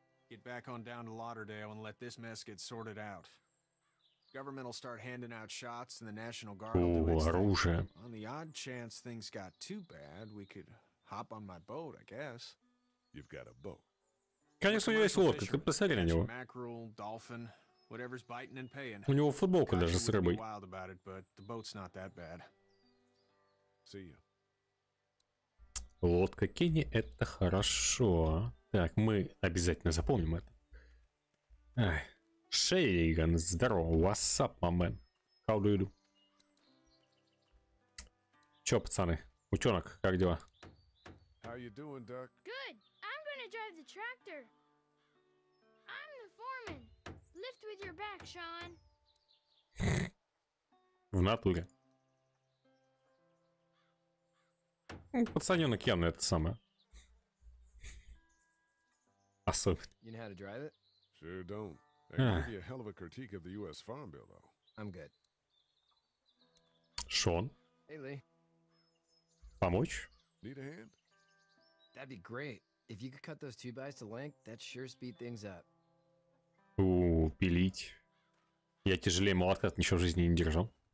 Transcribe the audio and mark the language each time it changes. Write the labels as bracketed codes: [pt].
[en] Get back on down to Lauderdale and let this mess get sorted out. Government will start handing out shots and the National Guard will do its [ru] оружие. [en] On the odd chance things got too bad, we could hop on my boat, I guess. You've got a boat. [ru] Конечно, у него есть лодка, ты посмотри на него. [en] Mackerel, dolphin, whatever's biting and paying. [ru] У него футболка даже с рыбой. [en] Wild about it, but the boat's not that bad. See you. [ru] Лодка Кенни, это хорошо. Так, мы обязательно запомним это. Шейган, здорово. [en] What's up, my man? How do you do? [ru] Чё, пацаны? Утёнок, как дела? [en] How you doing, Duck? Good. Drive the tractor. I'm the foreman. Lift with your back, Sean. [ru] В натуре. Пацаненок явно это самое. Особенно. [en] You know how to drive it? Sure don't. That could be a hell of a critique of the U.S. Farm Bill, though. I'm good. Sean. Hey, Lee. [ru] Помочь? [en] Need a hand? That'd be great. If you could cut those two bys to length, that sure speed things up. [ru] Пилить. Я тяжелее молотка, ничего в жизни не держал.